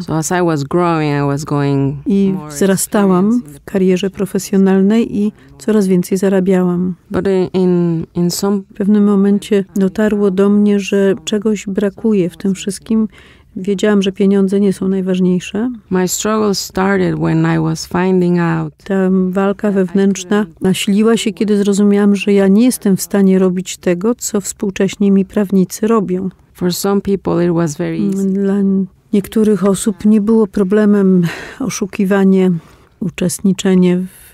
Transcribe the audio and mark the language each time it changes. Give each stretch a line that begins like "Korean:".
English: So as I was growing, I was going more.
Polish: I wzrastałam w karierze profesjonalnej i coraz więcej zarabiałam.
English: But in some...
Polish: W pewnym momencie dotarło do mnie, że czegoś brakuje w tym wszystkim. Wiedziałam, że pieniądze nie są najważniejsze.
English: My struggle started when I was finding out.
Polish: Ta walka wewnętrzna nasiliła się, kiedy zrozumiałam, że ja nie jestem w stanie robić tego, co współcześni mi prawnicy robią.
English: For some people it was very easy.
Polish: Dla niektórych osób nie było problemem oszukiwanie, uczestniczenie w